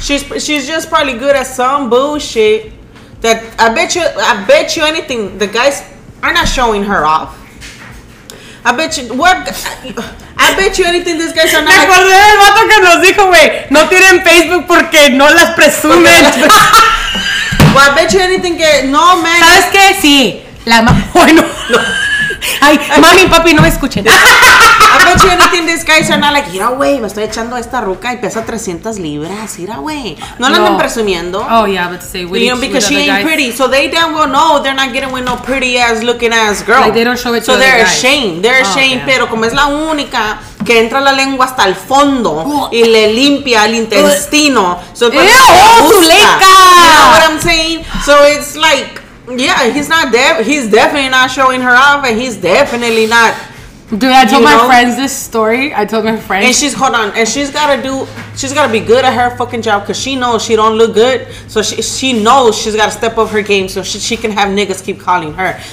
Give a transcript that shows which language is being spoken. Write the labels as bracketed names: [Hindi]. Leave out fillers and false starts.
[English] she's just probably good at some bullshit. That I bet you anything. The guys are not showing her off. I bet you anything. These guys are not. [Spanish] Me acordé del vato que nos dijo, güey. No tienen Facebook porque no las presumen. [English] Well, I bet you anything [Spanish] que no [English] man. [Spanish] ¿Sabes qué? Sí. La bueno. No. Ay, mami, papi, no me escuchen. [English] I bet you anything these guys are not like, [Spanish] mira, güey, me estoy echando esta ruca y pesa 300 libras, mira, güey. No la andan presumiendo. [English] Oh, yeah, but say, wait. You know, because she ain't pretty. So they damn well know they're not getting with no pretty ass looking ass girl. Like, they don't show it to the other guys. So they're ashamed. Damn. [Spanish] Pero como es la única que entra la lengua hasta el fondo y le limpia el intestino. [English] So ew, Zuleika! You know what I'm saying? So it's like, yeah, he's not he's definitely not showing her off, and he's definitely not. Dude, I told my friends this story. I told my friends. And she's, hold on. And she's got to be good at her fucking job because she knows she don't look good. So she knows she's got to step up her game so she can have niggas keep calling her.